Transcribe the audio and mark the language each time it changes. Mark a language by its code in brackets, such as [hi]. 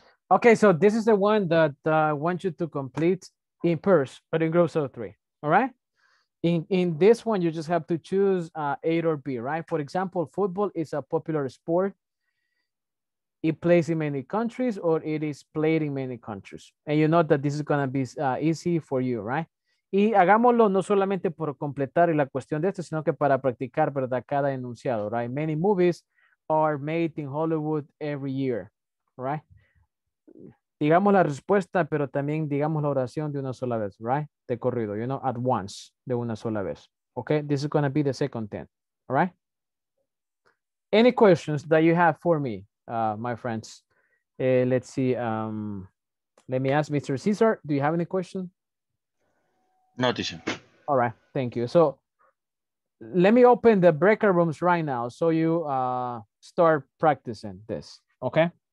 [en] Okay, so this is the one that I want you to complete in pairs, but in groups of three, all right? In this one, you just have to choose A or B, right? For example, football is a popular sport. It plays in many countries, or it is played in many countries. And you know that this is going to be easy for you, right? [es] Y hagámoslo no solamente por completar la cuestión de esto, sino que para practicar, ¿verdad? Cada enunciado, [en] right? Many movies are made in Hollywood every year, right? [es] Digamos la respuesta, pero también digamos la oración de una sola vez, right? De corrido, [en] you know, at once, [es] de una sola vez. [en] Okay, this is going to be the second 10, all right? Any questions that you have for me, my friends? Let's see. Let me ask Mr. Cesar, do you have any question? No, teacher. All right, thank you. So let me open the breakout rooms right now so you start practicing this, okay?